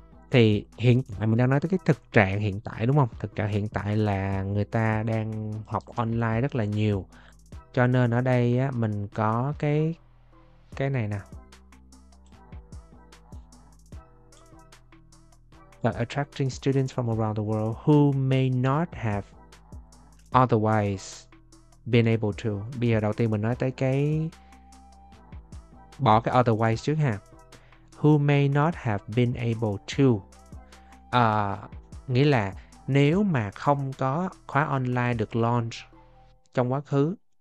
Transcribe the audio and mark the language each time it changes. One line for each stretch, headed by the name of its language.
Vietnamese: Thì hiện tại mình đang nói tới cái thực trạng hiện tại, đúng không? Thực trạng hiện tại là người ta đang học online rất là nhiều. Cho nên ở đây á, mình có cái này nè.
English: But attracting students from around the world who may not have otherwise been able to.
Vietnamese: Bây giờ đầu tiên mình nói tới cái, bỏ cái otherwise trước ha.
English: Who may not have been able to.
Vietnamese: Nghĩa là nếu mà không có khóa online được launch trong quá khứ,